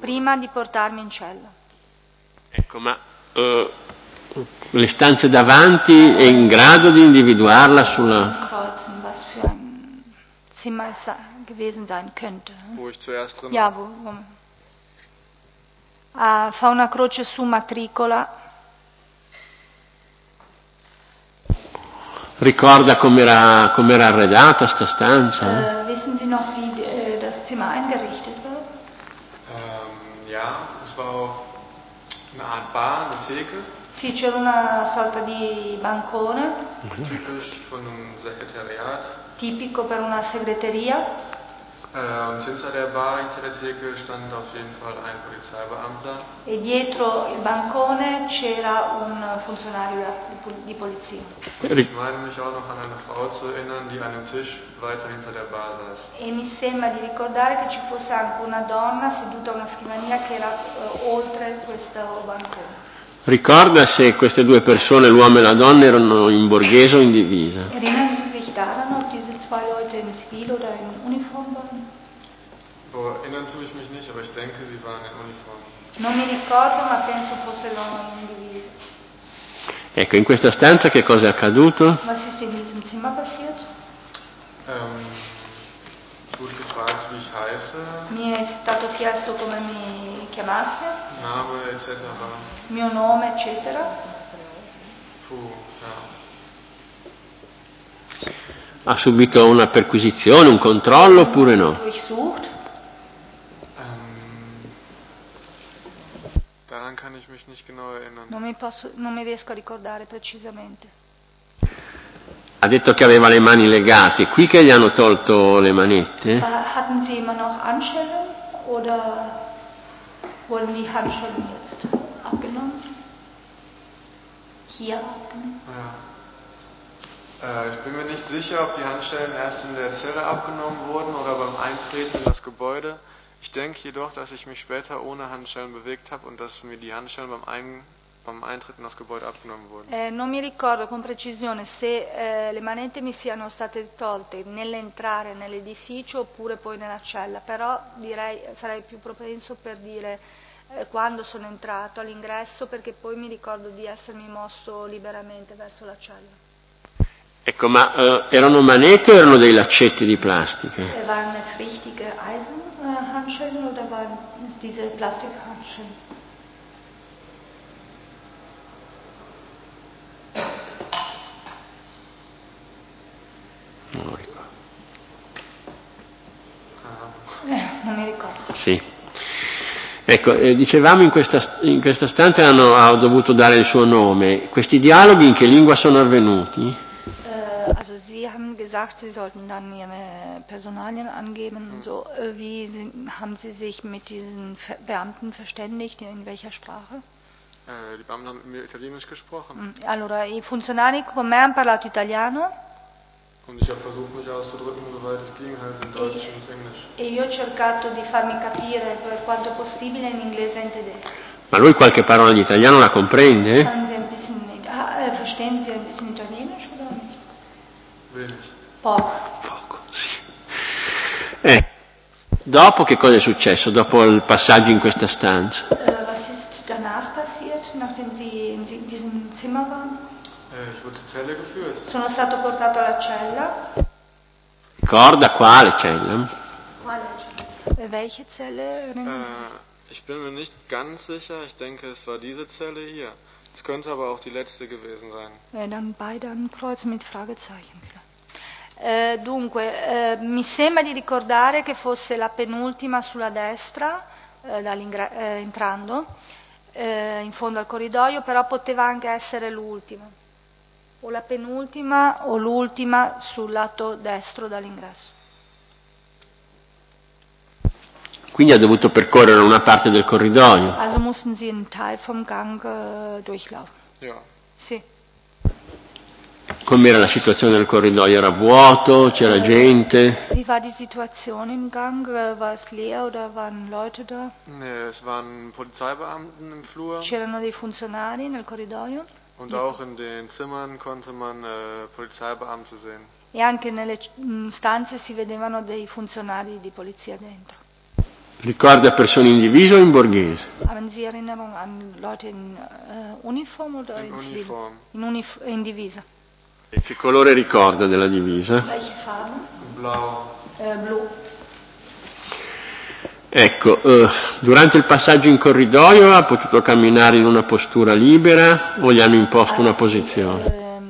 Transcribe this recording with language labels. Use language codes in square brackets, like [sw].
[it] Prima di portarmi in cella. Ecco, ma le stanze davanti è in grado di individuarla sulla [de] Kreuzen, was für ein Zimmer es gewesen sein könnte. Wo ich zuerst drin ja, wo. [it] Fa una croce su matricola. Ricorda com'era arredata sta stanza? [de] Wissen Sie noch, wie das Zimmer eingerichtet war? Ja, es war auf eine Art Bar, eine Theke. [it] Sì, c'era una sorta di bancone. [de] Typisch von einem Sekretariat. [it] Tipico per una segreteria. [de] Und hinter der Bar, hinter der Theke, stand auf jeden Fall ein Polizeibeamter. [it] E dietro il bancone c'era un funzionario di polizia. [de] Ich meine mich auch noch an eine Frau zu erinnern, die an dem Tisch weiter hinter der Bar saß. [it] E mi sembra di ricordare che ci fosse anche una donna seduta a una scrivania che era oltre questo bancone. Ricorda se queste due persone, l'uomo e la donna, erano in borghese o in divisa? [de] Erinnern Sie sich daran, ob diese zwei Leute in Zivil oder in Uniform waren? Erinnern tue ich mich nicht, aber ich denke, sie waren in Uniform. [it] Non mi ricordo, ma penso fosse l'uomo in divisa. Ecco, in questa stanza che cosa è accaduto? [de] Was ist in diesem Zimmer passiert? Wurde gefragt, wie ich heiße. [it] Mi è stato chiesto come mi chiamasse. [de] Name etc. [it] Mio nome eccetera. Ha subito una perquisizione, un controllo oppure no? [de] Durchsucht. Daran kann ich mich nicht genau erinnern. [it] Non mi riesco a ricordare precisamente. Ha detto che aveva le mani legate, qui che gli hanno tolto le manette? [de] Hatten sie immer noch Handschellen oder wurden die Handschellen jetzt abgenommen? Hier abgenommen? Ja. Ich bin mir nicht sicher, ob die Handschellen erst in der Zelle abgenommen wurden oder beim Eintreten in das Gebäude. Ich denke jedoch, dass ich mich später ohne Handschellen bewegt habe und dass mir die Handschellen beim Eintritt in das Gebäude abgenommen wurden. [it] Non mi ricordo con precisione se le manette mi siano state tolte nell'entrare nell'edificio oppure poi nella cella, però direi sarei più propenso per dire quando sono entrato all'ingresso, perché poi mi ricordo di essermi mosso liberamente verso la cella. Ecco, ma erano manette o erano dei laccetti di plastica? Waren es richtige Eisenhandschellen oder waren es diese Plastikhandschellen? Non lo ricordo. Non mi ricordo. Sì. Ecco, dicevamo in questa stanza ha dovuto dare il suo nome. Questi dialoghi in che lingua sono avvenuti? [de] Also sie haben gesagt, sie sollten dann ihre Personalien angeben und so. Wie haben sie sich mit diesen Beamten verständigt? In welcher Sprache? Die Beamten haben mir Italienisch gesprochen. [it] Allora, i funzionari con me hanno parlato italiano. [de] Und ich habe versucht, mich auszudrücken, soweit es ging, halt in Deutsch und Englisch. [it] E io ho cercato di farmi capire per quanto possibile in inglese e in tedesco. Ma lui qualche parola di italiano la comprende? [de] Verstehen Sie ein bisschen Italienisch oder nicht? [it] Poco, sì. Dopo che cosa è successo? Dopo il passaggio in questa stanza? [de] Was ist danach passiert, nachdem Sie in diesem Zimmer waren? Ich wurde in Zelle geführt. [it] Sono stato portato alla cella. Ricorda quale cella? Quale cella? [de] Welche Zelle? Ich bin mir nicht ganz sicher. Ich denke, es war diese Zelle hier. Es könnte aber auch die letzte gewesen sein. Dann beide ein Kreuz mit Fragezeichen. [it] Dunque, mi sembra di ricordare che fosse la penultima sulla destra, entrando, in fondo al corridoio, però poteva anche essere l'ultima, o la penultima o l'ultima sul lato destro dall'ingresso. Quindi ha dovuto percorrere una parte del corridoio. [de] Also mussten Sie einen Teil vom Gang durchlaufen. Ja. [it] Sì. Com'era la situazione del corridoio? Era vuoto? C'era gente? [de] Wie war die Situation im Gang? War es leer oder waren Leute da? Nee, es waren Polizeibeamten im Flur. [it] C'erano dei funzionari nel corridoio? [de] Und ja. Auch in den Zimmern konnte man Polizeibeamte sehen. [it] E anche nelle stanze si vedevano dei funzionari di polizia dentro. Ricorda persone in divisa o in borghese? [de] Haben Sie Erinnerung an Leute in Uniform oder in Zivile? In Uniform. [it] In divisa. E che colore ricorda della divisa? [de] Blau. [it] Blu. Ecco, durante il passaggio in corridoio ha potuto camminare in una postura libera o gli hanno imposto una posizione?